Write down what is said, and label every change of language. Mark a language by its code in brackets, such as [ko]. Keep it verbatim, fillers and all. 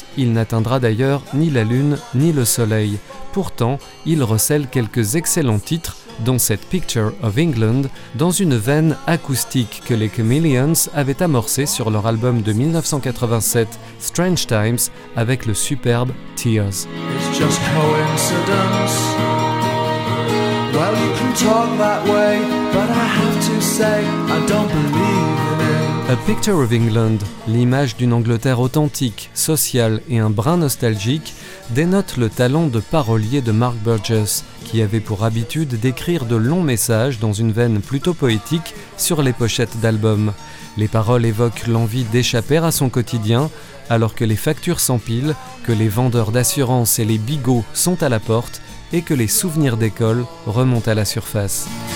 [fr] Il n'atteindra d'ailleurs ni la lune ni le soleil. Pourtant, il recèle quelques excellents titres, dont cette Picture of England, dans une veine acoustique que les Chameleons avaient amorcée sur leur album de dix-neuf cent quatre-vingt-sept, Strange Times, avec le superbe Tears. [en] It's just coincidence. Well, you can talk that way, but I have to say, I don't believe in it. [fr] A Picture of England, l'image d'une Angleterre authentique, sociale et un brin nostalgique, dénote le talent de parolier de Mark Burgess, qui avait pour habitude d'écrire de longs messages dans une veine plutôt poétique sur les pochettes d'albums. Les paroles évoquent l'envie d'échapper à son quotidien, alors que les factures s'empilent, que les vendeurs d'assurance et les bigots sont à la porte, et que les souvenirs d'école remontent à la surface.